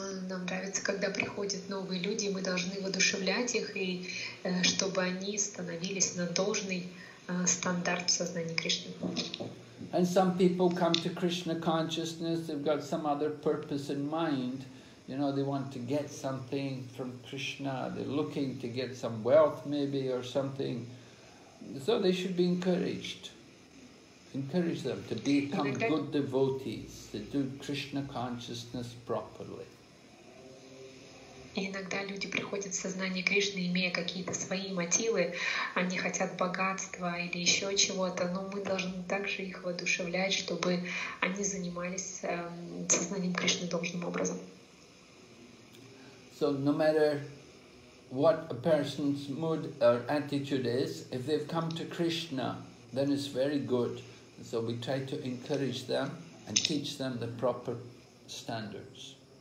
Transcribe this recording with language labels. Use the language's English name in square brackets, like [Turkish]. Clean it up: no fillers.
[Russian] Нам нравится, когда приходят новые люди, мы должны воодушевлять их, и чтобы они становились на должный стандарт в сознании Кришны. [English] And some people come to Krishna consciousness, they've got some other purpose in mind. You know, they want to get something from Krishna, they're looking to get some wealth maybe or something. So they should be encouraged. Encourage them to become good devotees, to do Krishna consciousness properly. [Russian] Иногда люди приходят в сознание Кришны, имея какие-то свои мотивы, они хотят богатства или еще чего-то, но мы должны также их воодушевлять, чтобы они занимались сознанием Кришны должным образом. [English] So no matter what a person's mood or attitude is, if they've come to Krishna, then it's very good. So we try to encourage them and teach them the proper standards.